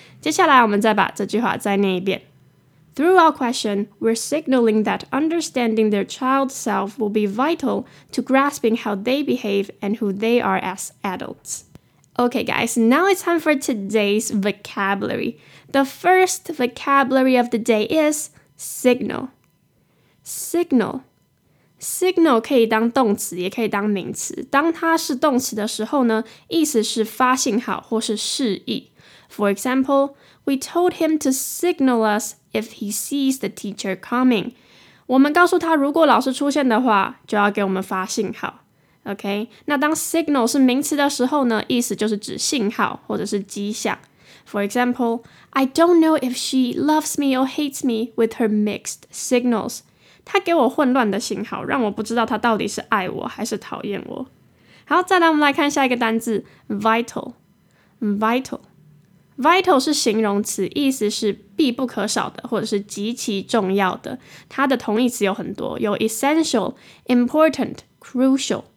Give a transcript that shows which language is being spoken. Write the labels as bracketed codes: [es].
[zh] 接下来我们再把这句话再念一遍。 [en] Through our question, we're signaling that understanding their child self will be vital to grasping how they behave and who they are as adults. Okay, guys, now it's time for today's vocabulary. The first vocabulary of the day is signal. [zh] Signal. Signal 可以当动词，也可以当名词。当它是动词的时候呢，意思是发信号或是示意。 [en] For example, we told him to signal us if he sees the teacher coming. [zh] 我们告诉他如果老师出现的话，就要给我们发信号。 OK， 那当 signal 是名词的时候呢，意思就是指信号或者是迹象。 [en] For example, I don't know if she loves me or hates me with her mixed signals. [zh] 她给我混乱的信号，让我不知道她到底是爱我还是讨厌我。好，再来我们来看下一个单字 ，vital， vital， vital 是形容词，意思是必不可少的或者是极其重要的。它的同义词有很多，有 essential、important、crucial。